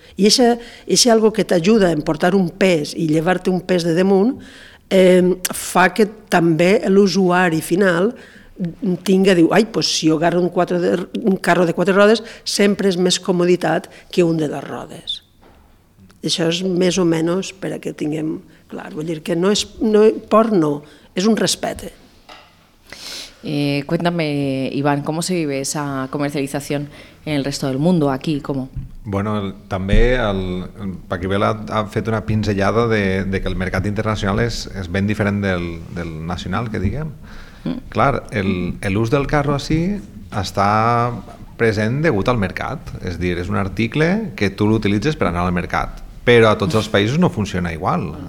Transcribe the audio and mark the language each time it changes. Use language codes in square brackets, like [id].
[ca] I aquest algo que t'ajuda a emportar un pes i llevar-te un pes de damunt fa que també l'usuari final tinga, diu, ai, pues si jo agarro un carro de quatre rodes sempre és més comoditat que un de dues rodes. Això és més o menys per a que tinguem clar. Vull dir que no és no, por no, és un respecte. [es] Cuéntame, Iván, ¿cómo se vive esa comercialización en el resto del mundo, aquí, cómo? [ca] Bueno, també el Paqui Vela ha fet una pinzellada de que el mercat internacional és ben diferent del nacional, que diguem. Clar, l'ús del carro així està present degut al mercat, és a dir, és un article que tu l'utilitzes per anar al mercat, però a tots els països no funciona igual.